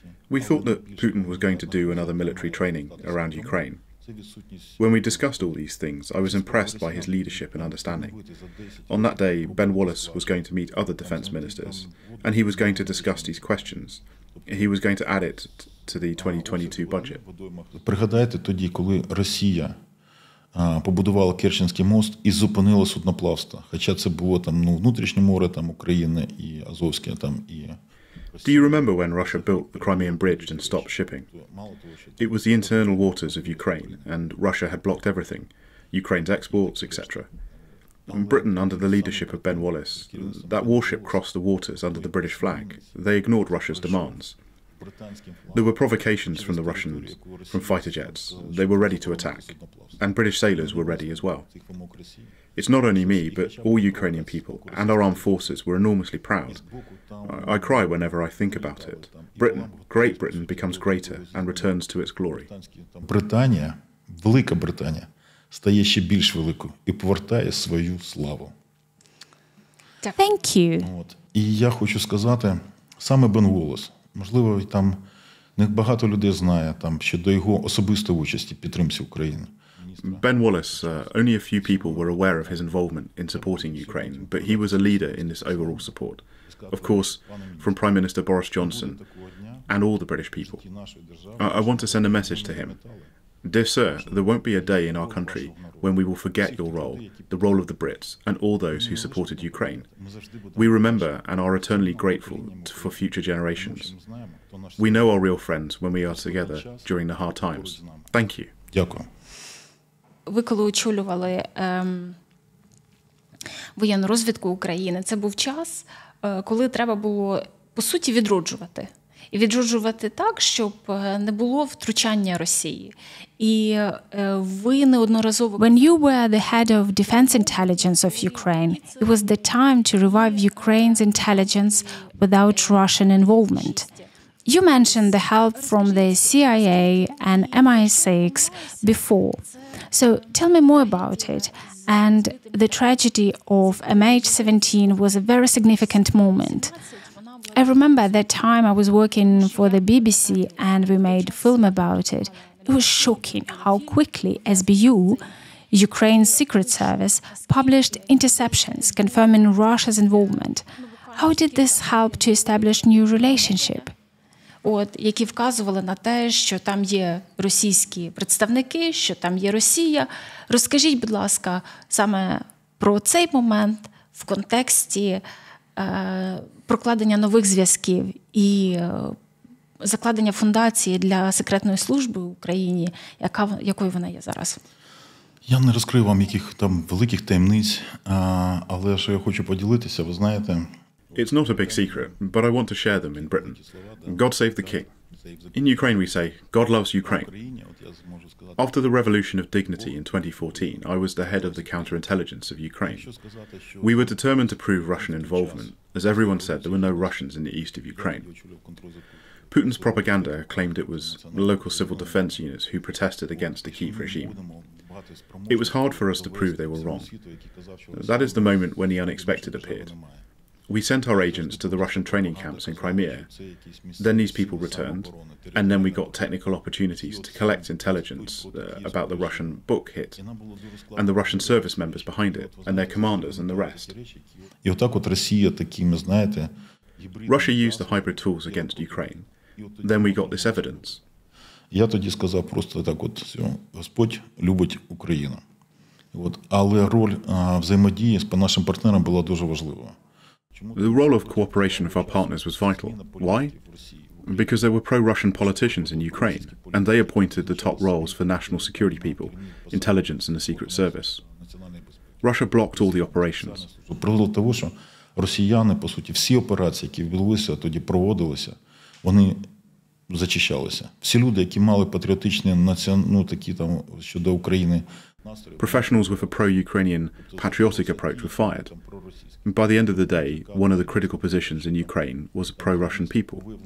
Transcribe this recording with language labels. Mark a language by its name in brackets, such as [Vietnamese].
[English] We thought that Putin was going to do another military training around Ukraine. When we discussed all these things, I was impressed by his leadership and understanding. On that day, Ben Wallace was going to meet other defense ministers, and he was going to discuss these questions. He was going to add it to the 2022 budget. [Ukrainian] Пригадайте тоді, коли Росія побудувала Керченський мост і зупинила судноплавство, хоча це було там, ну, внутрішнє море там України і Азовське там і. [English] Do you remember when Russia built the Crimean Bridge and stopped shipping? It was the internal waters of Ukraine, and Russia had blocked everything, Ukraine's exports, etc. And Britain, under the leadership of Ben Wallace, that warship crossed the waters under the British flag. They ignored Russia's demands. There were provocations from the Russians, from fighter jets. They were ready to attack. And British sailors were ready as well. It's not only me, but all Ukrainian people and our armed forces were enormously proud. I cry whenever I think about it. Britain, Great Britain, becomes greater and returns to its glory. [Ukrainian] Британія, Велика Британія, стає ще більш великою і повертає свою славу. [English] Thank you. [Ukrainian] І я хочу сказати, саме Бен Уоллес, можливо, там не багато людей знає, там що до його особистої участі підтримці України. [English] Ben Wallace, only a few people were aware of his involvement in supporting Ukraine, but he was a leader in this overall support. Of course, from Prime Minister Boris Johnson and all the British people. I want to send a message to him. Dear sir, there won't be a day in our country when we will forget your role, the role of the Brits, and all those who supported Ukraine. We remember and are eternally grateful for future generations. We know our real friends when we are together during the hard times. Thank you. [Ukrainian] Дякую. Ви коли очолювали воєнну розвідку України, це був час, коли треба було, по суті, відроджувати. І відроджувати так, щоб не було втручання Росії. І ви неодноразово... [English] When you were the head of defense intelligence of Ukraine, it was the time to revive Ukraine's intelligence without Russian involvement. You mentioned the help from the CIA and MI6 before. So tell me more about it. And the tragedy of MH17 was a very significant moment. I remember that time I was working for the BBC and we made a film about it. It was shocking how quickly SBU, Ukraine's secret service, published interceptions confirming Russia's involvement. How did this help to establish new relationship? [Ukrainian] От, які вказували на те, що там є російські представники, що там є Росія. Розкажіть, будь ласка, саме про цей момент в контексті прокладення нових зв'язків і закладення фундації для секретної служби в Україні, якою вона є зараз. Я не розкрию вам яких там великих таємниць, але що я хочу поділитися, ви знаєте... [English] It's not a big secret, but I want to share them in Britain. God save the king. In Ukraine we say, God loves Ukraine. After the revolution of dignity in 2014, I was the head of the counterintelligence of Ukraine. We were determined to prove Russian involvement. As everyone said, there were no Russians in the east of Ukraine. Putin's propaganda claimed it was local civil defense units who protested against the Kyiv regime. It was hard for us to prove they were wrong. That is the moment when the unexpected appeared. We sent our agents to the Russian training camps in Crimea. Then these people returned, and then we got technical opportunities to collect intelligence about the Russian book hit and the Russian service members behind it and their commanders and the rest. Russia used the hybrid tools against Ukraine. Then we got this evidence. [Ukrainian] Я тоді сказав просто так от, що Господь любить Україну. От, але роль взаємодії з нашим партнером була дуже важлива. [English] The role of cooperation of our partners was vital. Why? Because there were pro-Russian politicians in Ukraine, and they appointed the top roles for national security people, intelligence and the secret service. Russia blocked all the operations. [Ukrainian] Проводило того, що росіяни, по суті, всі операції, які відбулися, тоді проводилися, вони зачищалися. Всі люди, які мали патріотичні національні, такі там щодо України, [English] professionals with a pro-Ukrainian patriotic approach were fired. By the end of the day, one of the critical positions in Ukraine was pro-Russian people.